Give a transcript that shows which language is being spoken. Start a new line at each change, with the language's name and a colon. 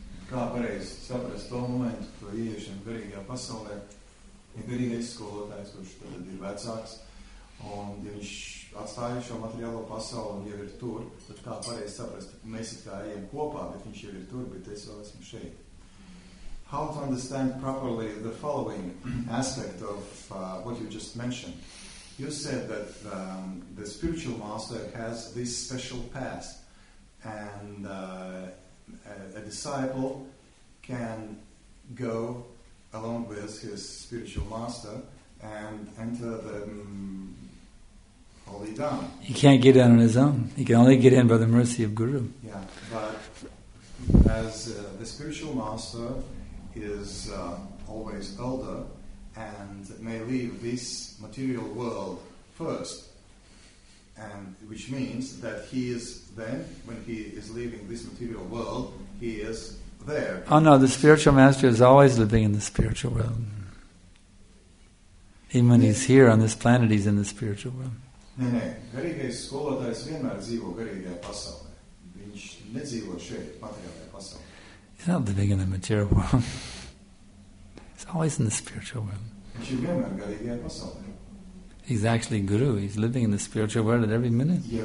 Latvian: Kā pareizi saprast to momentu, to ieiešanu garīgajā pasaulē, ir garīgais skolotājs, kurš tad ir vecāks, un ja viņš atstāja šo materiālo pasauli un jau ir tur, tad kā pareizi saprast, mēs ir kā ejam kopā, bet viņš jau ir tur, bet es vēl esmu šeit.
English: How to understand properly the following aspect of what you just mentioned. You said that the spiritual master has this special path and a disciple can go along with his spiritual master and enter the holy dhamma. He can't get in on his own. He can only get in by the mercy of Guru. Yeah, but as the spiritual master is always older and may leave this material world first, and which means that he is then, when he is leaving this material world, he is there. Oh no, the spiritual master is always living in the spiritual world. Even when he's here on this planet, he's in the spiritual world.
Latvian: Nē, garīgais skolotājs vienmēr dzīvo garīgajā pasaulē. Viņš nedzīvo šeit, materiālajā pasaulē.
English: He's not living in the material world. He's always in the spiritual world. He's actually guru. He's living in the spiritual world at every minute.